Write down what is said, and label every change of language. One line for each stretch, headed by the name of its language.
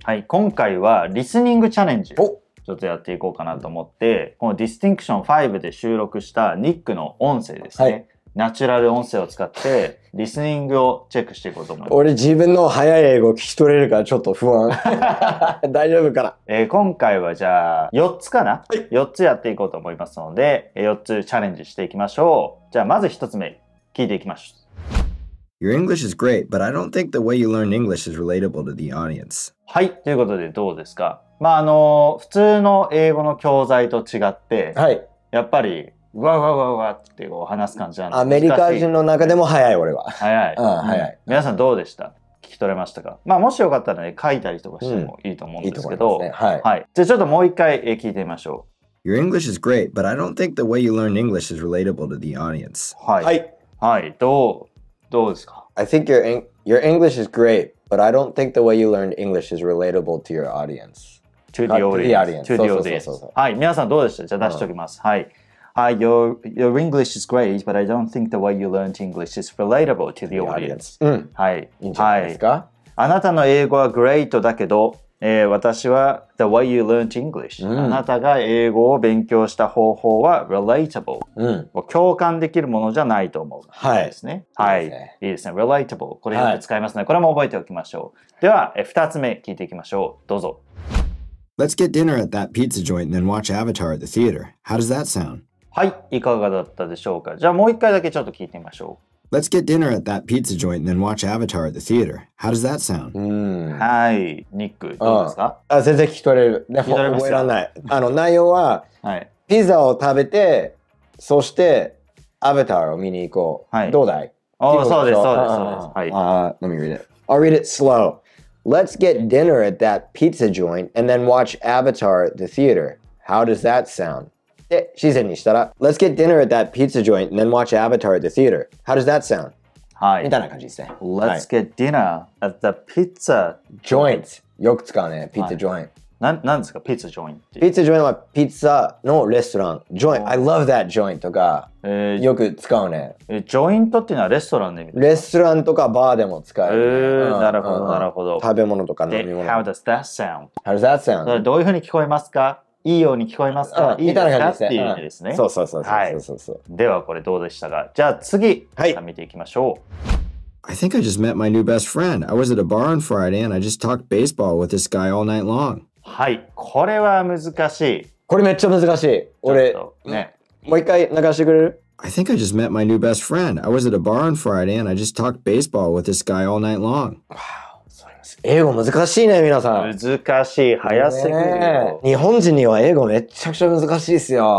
Japanese: はい、今回はリスニングチャレンジ。ちょっとやっていこうかなと思って、この Distinction 5で収録したニックの音声ですね、はい。ナチュラル音声を使って、リスニングをチェックしていこうと思います。俺自分の早い英語聞き取れるからちょっと不安。大丈夫かな、今回はじゃあ4つかな、はい、?4 つやっていこうと思いますので、4つチャレンジしていきましょう。じゃあまず1つ目、聞いていきましょう。
English: Your English is great, but I don't think the way you learn English is relatable to the audience.
Japanese: はい、ということでどうですか？まあ普通の英語の教材と違って、はい、やっぱりうわうわうわうわってこう話す感じなの。アメリカ人の中でも早い、俺は早い、うん、早い。皆さんどうでした？聞き取れましたか？まあもしよかったらね、書いたりとかしてもいいと思うんですけど、うん、いいと思いますね。はい、はい、じゃあちょっともう一回聞いてみましょう。
English: Your English is great, but I don't think the way you learn English is relatable to the audience.
Japanese: はい、はい、はい、どうですか？
English: I think your English is great, but I don't think the way you learn English is relatable to your audience. To the audience.
Japanese: はい、皆さんどうでした？じゃあ出しておきます。はい。
English: Your English is great, but I don't think the way you learned English is relatable to the audience.
Japanese: うん。はい。いいんじゃないですか？はい。あなたの英語は great だけど、私は
English: the way you learned English、
Japanese: うん。あなたが英語を勉強した方法は relatable。うん。もう共感できるものじゃないと思う。はい。ですね。はい。いいですね。relatable。これよく使いますね、はい。これも覚えておきましょう。では、2つ目聞いていきましょう。どうぞ。
English: Let's get dinner at that pizza joint and then watch Avatar at the theater. How does that sound?
Japanese: はい、いかがだったでしょうか。じゃあもう一回だけちょっと聞いてみましょう。 Let's get dinner at that pizza joint and then watch Avatar at the theater. How does that sound? はい、ニック、どうですか？あ、全然聞き取れる。聞き取れます。覚えらんない。内容は、はい、ピザを食べて、そしてAvatar を見に行こう。はい、どうだい？おー、そうです、そうです、そうです。はい。
English: Let me read it. I'll read it slow. Let's get dinner at that pizza joint and then watch Avatar at the theater. How does that sound?
Japanese: で、自然にしたら、
English: Let's get dinner at that pizza joint and then watch Avatar at the theater. How does that sound?
Japanese: はい。みたいな感じですね。
English: Let's get dinner at the pizza
Japanese: joint. よく使うね、pizza joint. なんですか、pizza joint? Pizza joint はピッツァのレストラン。Joint,
English: I love that joint
Japanese: とか、よく使うね。 Joint っていうのはレストランで見る。レストランとかバーでも使える、ね。なるほど、なるほど。食べ物とか飲み物。
English: How does that sound? How does that sound?
Japanese: どういうふうに聞こえますか？いいように聞こえますか？みたいな感じですね。っていう意味ですね。そうそうそうそう。ではこれどうでしたか？じゃあ次、はい、見ていきましょう。
English: I think I just met my new best friend. I was at a bar on Friday and I just talked baseball with this guy all night long.
Japanese: はい、これは難しい。これめっちゃ難しい。俺、ね、もう一回流してくれる？
English: I think I just met my new best friend. I was at a bar on Friday and I just talked baseball with this guy all night long.
Japanese: Wow, それ英語難しいね、皆さん。難しい、早すぎる、ね。日本人には英語めちゃくちゃ難しいですよ。